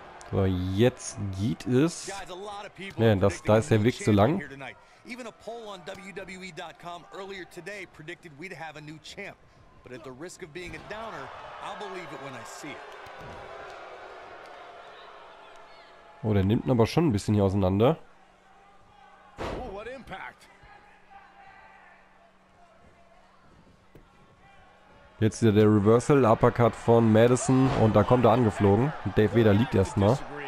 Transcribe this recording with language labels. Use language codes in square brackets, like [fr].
[de] So, jetzt geht es. Ja, das, da ist der Weg zu lang. [en] Even a poll on WWE.com earlier today predicted we'd have a new champ. But at the risk of being a downer, I'll believe it when I see it. [de] Oh, der nimmt ihn aber schon ein bisschen hier auseinander. [en] Oh, what impact. [de] Jetzt wieder der Reversal, Uppercut von Madison und da kommt er angeflogen. Dave Vader liegt erstmal.